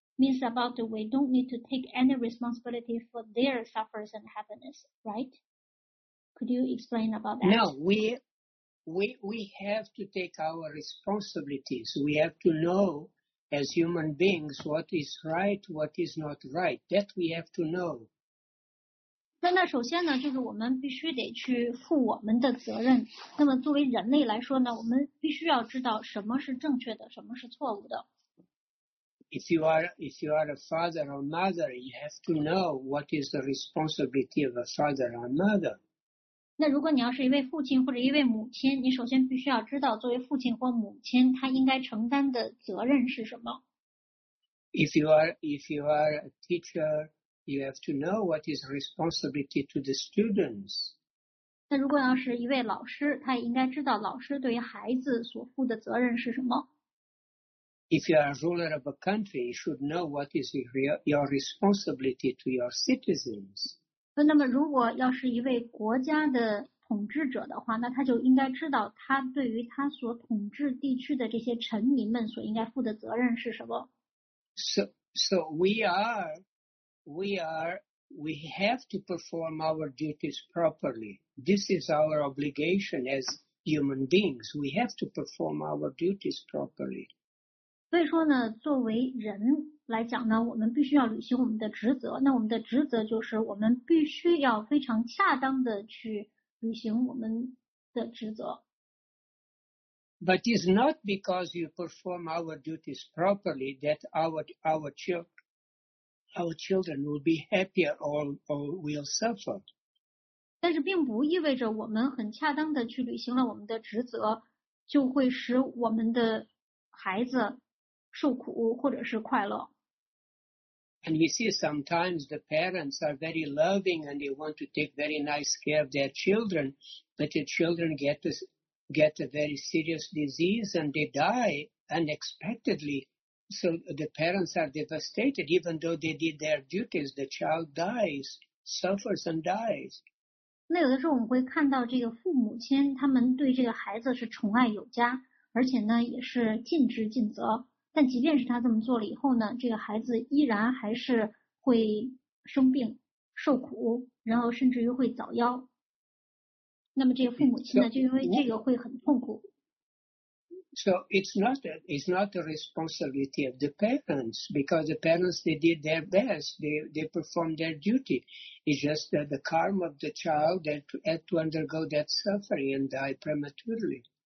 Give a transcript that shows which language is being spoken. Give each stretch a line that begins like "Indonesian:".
English: Means about that we don't need to take any responsibility for their suffers and happiness, right? Could you explain about that? No, we have to take our responsibilities. We have to know as human beings what is right, what is not right. That we have to know.
Chinese: 那首先呢，就是我们必须得去负我们的责任。那么作为人类来说呢，我们必须要知道什么是正确的，什么是错误的。
English: If you are a father or mother, you have to know what is the responsibility of a father or mother.
Chinese: 那如果你要是一位父亲或者一位母亲，你首先必须要知道，作为父亲或母亲，他应该承担的责任是什么。
English: If you are a teacher, you have to know what is responsibility to the students.
Chinese: 那如果要是一位老师，他也应该知道老师对于孩子所负的责任是什么。
English: If you are a ruler of a country, you should know what is your responsibility to your citizens.
Chinese: 那么，如果要是一位国家的统治者的话，那他就应该知道他对于他所统治地区的这些臣民们所应该负的责任是什么。
English: So we have to perform our duties properly. This is our obligation as human beings. We have to perform our duties properly.
Chinese: 所以说呢，作为人来讲呢，我们必须要履行我们的职责。那我们的职责就是，我们必须要非常恰当的去履行我们的职责。
English: But it's not because you perform our duties properly that our children will be happier or will suffer.
Chinese: 但是并不意味着我们很恰当的去履行了我们的职责，就会使我们的孩子受苦或者是快乐。
English: And you see, sometimes the parents are very loving and they want to take very nice care of their children, but the children get a very serious disease and they die unexpectedly. So the parents are devastated, even though they did their duties, the child dies, suffers and dies.
Chinese: 那有的时候我们会看到这个父母亲，他们对这个孩子是宠爱有加，而且呢也是尽职尽责。但即便是他这么做了以后呢，这个孩子依然还是会生病、受苦，然后甚至于会早夭。那么这个父母亲呢，就因为这个会很痛苦。
English: So it's not the responsibility of the parents because the parents they did their best, they performed their duty. It's just that the karma of the child that had to undergo that suffering and die prematurely.